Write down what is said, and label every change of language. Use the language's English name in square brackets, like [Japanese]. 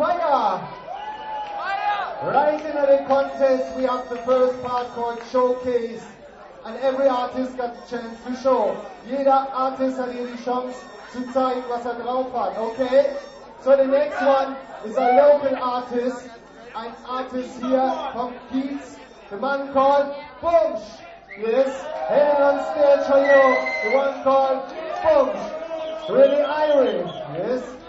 [English] right in the contest, we have the first part called Showcase, and every artist got the chance to show. [German] Jeder Artist hat hier die Chance zu zeigen, was drauf hat, okay? [English] So the next one is a local artist, an artist here from Keats, the man called Bunch. Yes, hanging on stage for you, the one called Bunch, really Irish, yes?